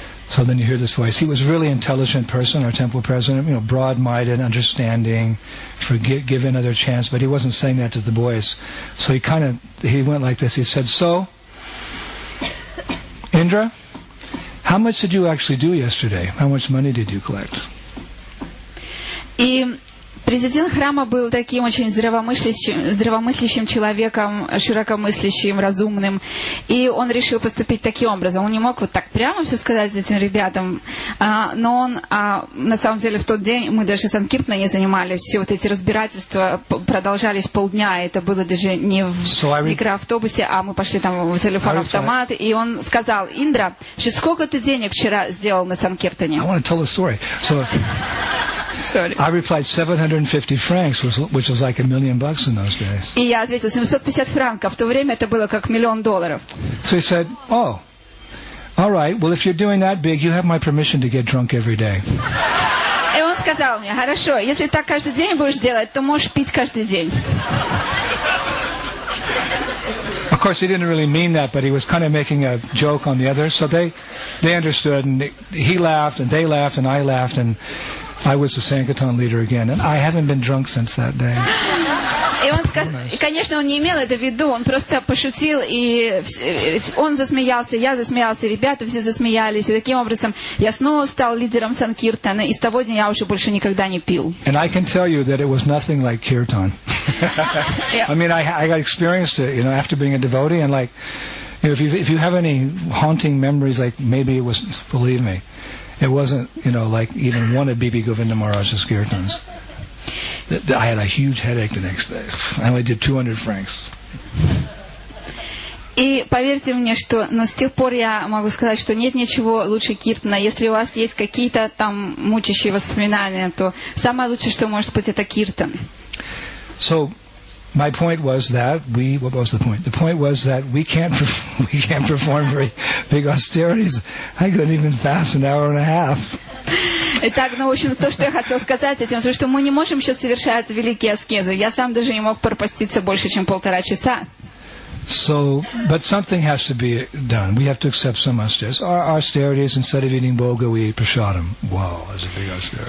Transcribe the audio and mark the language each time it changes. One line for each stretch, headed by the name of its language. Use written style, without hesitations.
English: So then you hear this voice. He was a really intelligent person, our temple president, you know, broad-minded, understanding, give another chance, but he wasn't saying that to the boys. So he went like this. He said, so, Indra, how much did you actually do yesterday? How much money did you collect?
Russian: Президент храма был таким очень здравомыслящим человеком, широкомыслящим, разумным. И он решил поступить таким образом. Он не мог вот так прямо все сказать этим ребятам. Но он, на самом деле, в тот день мы даже санкиртаной не занимались. Все вот эти разбирательства продолжались полдня. Это было даже не в микроавтобусе, а мы пошли там в телефон-автомат. И он сказал, Индра, сколько ты денег вчера сделал на санкиртане?
English: I want to tell the story. So... Sorry. I replied 750 francs, which was like $1 million in those days.
Russian: И я ответил 750 франков. В то время это было как миллион долларов.
English: So he said, "Oh, all right. Well, if you're doing that big, you have my permission to get drunk every day."
Russian: И он сказал мне, хорошо, если так каждый день будешь делать, то можешь пить каждый день.
English: Of course, he didn't really mean that, but he was kind of making a joke on the others. So they understood, and he laughed, and they laughed, and I laughed, and. I was the Sankirtan leader again, and I haven't been drunk since that day.
Russian: И он сказал, конечно, он не имел это в виду, он просто пошутил, и он засмеялся, я засмеялся, ребята все засмеялись, и таким образом я снова стал лидером Санкиртана, и с того дня я уже больше никогда не пил.
English: And I can tell you that it was nothing like Kirtan. I mean, I experienced it, you know, after being a devotee, and like, you know, if you have any haunting memories, like maybe it was, believe me, it wasn't, you know, like even one of Bibi Govinda Maharaj's Kirtans. I had a huge headache the next day. I only did 200 francs.
Russian: И поверьте мне, что но с тех пор я могу сказать, что нет ничего лучше Киртана. Если у вас есть какие-то там мучащие воспоминания, то самое лучшее, что может быть, это Киртан.
English: So, my point was that we... What was the point? The point was that we can't perform very big austerities. I couldn't even fast an hour and a half.
Russian: Итак, ну, в общем, то, что я хотел сказать этим, что мы не можем сейчас совершать великие аскезы. Я сам даже не мог пропаститься больше, чем полтора часа.
English: So, but something has to be done. We have to accept some austerities. Our austerities, instead of eating boga, we eat prasadam. Wow, that's a big austerity.